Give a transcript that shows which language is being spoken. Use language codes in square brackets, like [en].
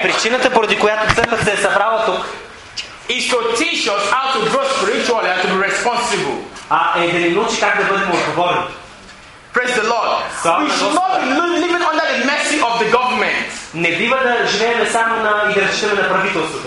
[bg] причината поради която църквата се е събрала тук, [en] is to teach us how to grow spiritually and to be responsible. [bg] Е да ни научи как да бъдем отговорни. [en] Praise the Lord. We should not be living under the mercy of the government. [bg] Не бива да живеем само на идеалистичното на правителството.